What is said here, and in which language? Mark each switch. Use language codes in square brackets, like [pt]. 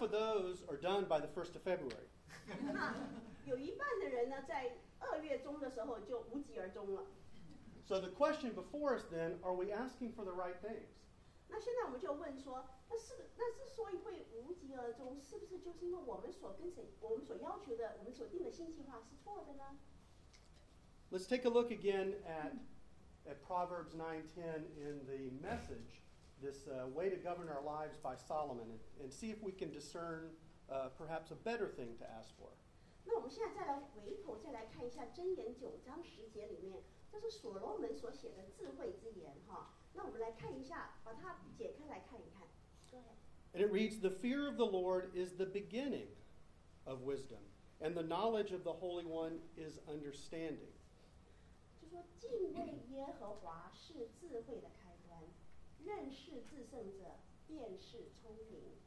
[en] of those are done by the 1st of February. [zh] 那有一半的人呢，在二月中的时候就无疾而终了。 [en] So the question before us then, are we asking for the right things? [zh] 那现在我们就问说，那之所以会无疾而终，是不是就是因为我们所要求的，我们所定的新计划是错的呢？ [en] Let's take a look again at at Proverbs 9:10 in the Message, this way to govern our lives by Solomon, and see if we can discern perhaps a better thing to ask for. [zh] 那我们现在再来回头，再来看一下箴言九章十节里面，这是所罗门所写的智慧之言哈。那我们来看一下，把它解开来看一看。 [en] And it reads, "The fear of the Lord is the beginning of wisdom, and the knowledge of the Holy One is understanding." [zh] 就说敬畏耶和华是智慧的开端，认识至圣者便是聪明。